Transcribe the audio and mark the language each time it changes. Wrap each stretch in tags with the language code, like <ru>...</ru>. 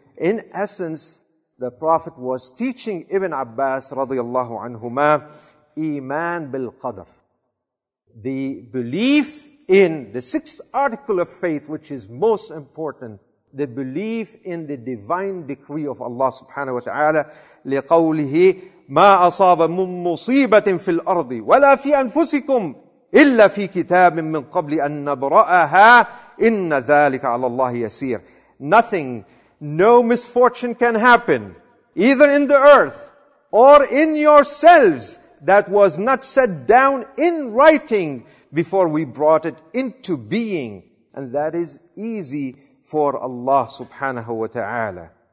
<en>In essence, the Prophet was teaching Ibn Abbas radiallahu anhuma, Iman bil Qadr. The belief in the sixth article of faith, which is most important, the belief in the divine decree of Allah subhanahu wa ta'ala, لقوله</en> <ar>ما أصاب من مصيبة في الأرض ولا في أنفسكم إلا في كتاب من قبل أن نبرأها إن ذلك على الله يسير.</ar> <en>Nothing, no misfortune can happen, either in the earth or in yourselves, that was not set down in writing before we brought it into being. And that is easy for Allah subhanahu wa ta'ala.</en>